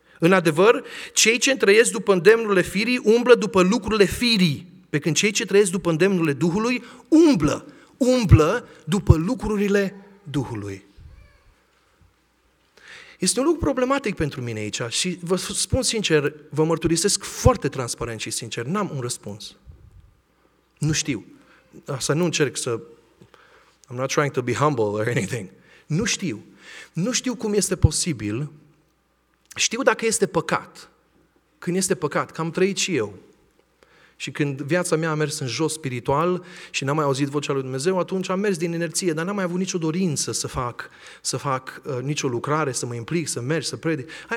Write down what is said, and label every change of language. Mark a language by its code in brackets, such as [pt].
[ro] În adevăr, cei ce trăiesc după îndemnurile firii umblă după lucrurile firii, pe când cei ce trăiesc după îndemnurile Duhului umblă după lucrurile Duhului. Este un lucru problematic pentru mine aici și vă spun sincer, vă mărturisesc foarte transparent și sincer, n-am un răspuns. Nu știu. Asta nu încerc să... [en] I'm not trying to be humble or anything. [ro] Nu știu. Nu știu cum este posibil. Știu dacă este păcat. Când este păcat, că am trăit și eu. Și când viața mea a mers în jos spiritual și n-am mai auzit vocea lui Dumnezeu, atunci am mers din inerție, dar n-am mai avut nicio dorință să fac nicio lucrare, să mă implic, să merg, să predic.